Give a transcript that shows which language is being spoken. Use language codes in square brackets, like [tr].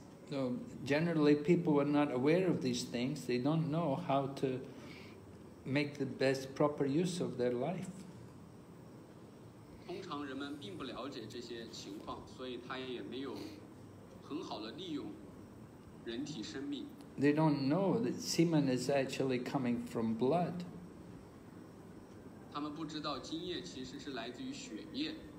[en] So generally, people are not aware of these things. They don't know how to make the best proper use of their life. [zh] 通常人们并不了解这些情况，所以他也没有很好的利用人体生命。 [en] They don't know that semen is actually coming from blood. [zh] 他们不知道精液其实是来自于血液。